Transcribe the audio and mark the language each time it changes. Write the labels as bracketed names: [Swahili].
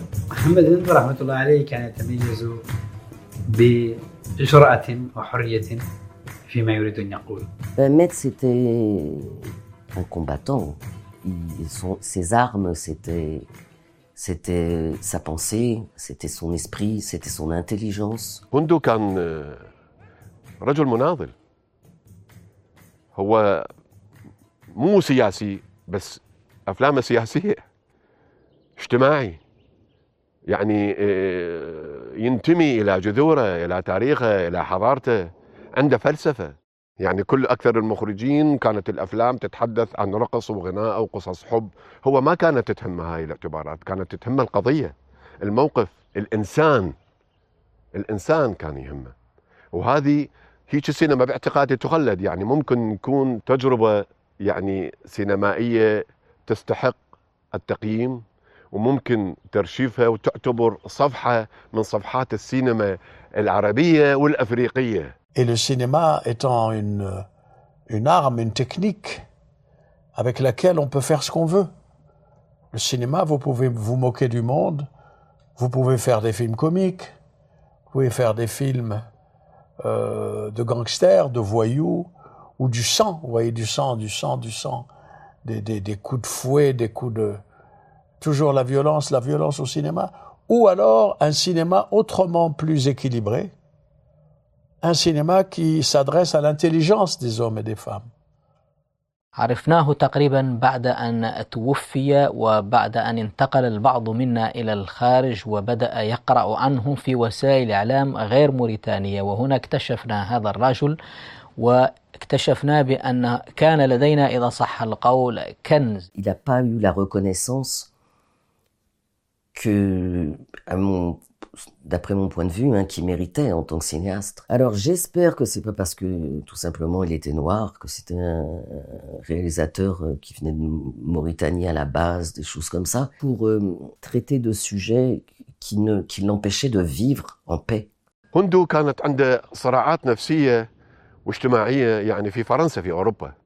[Arabic] محمد بن رحمة الله عليه كان يتميز بجرأة وحرية فيما يريد أن يقول. [French] أحمد c'était un combattant. Ses armes c'était sa pensée, c'était son esprit, c'était son intelligence. [Arabic] هندو كان رجل مناضل. هو مو سياسي بس أفلامه سياسية اجتماعي. يعني ينتمي إلى جذوره، إلى تاريخه، إلى حضارته، عنده فلسفة. يعني كل أكثر المخرجين كانت الأفلام تتحدث عن رقص وغناء أو قصص حب، هو ما كانت تهم هاي الاعتبارات، كانت تهم القضية، الموقف، الإنسان، الإنسان كان يهمه. وهذه هي سينما باعتقادي تخلد، يعني ممكن يكون تجربة يعني سينمائية تستحق التقييم، وممكن ترشيفها وتعتبر صفحة من صفحات السينما العربية والأفريقية. [French] Et le cinéma étant une arme, une technique avec laquelle on peut faire ce qu'on veut. Le cinéma, vous pouvez vous moquer du monde, vous pouvez faire des films comiques, vous pouvez faire des films de gangsters, de voyous ou du sang. Vous voyez du sang, des coups de fouet, des coups de toujours la violence au cinéma, ou alors un cinéma autrement plus équilibré, un cinéma qui s'adresse à l'intelligence des hommes et des femmes. [Arabic] عرفناه تقريبا بعد أن توفي وبعد أن انتقل البعض منا إلى الخارج وبدأ يقرأ عنه في وسائل إعلام غير موريتانية، وهنا اكتشفنا هذا الرجل واكتشفنا بأن كان لدينا إذا صح القول كنز. [French] Il a pas eu la reconnaissance que, à mon, d'après mon point de vue, hein, qu'il méritait en tant que cinéaste. Alors j'espère que c'est pas parce que, tout simplement, il était noir, que c'était un réalisateur qui venait de Mauritanie à la base, des choses comme ça, pour traiter de sujets qui l'empêchaient de vivre en paix. [Arabic] Hundu كانت عنده صراعات نفسية واجتماعية يعني في فرنسا في أوروبا.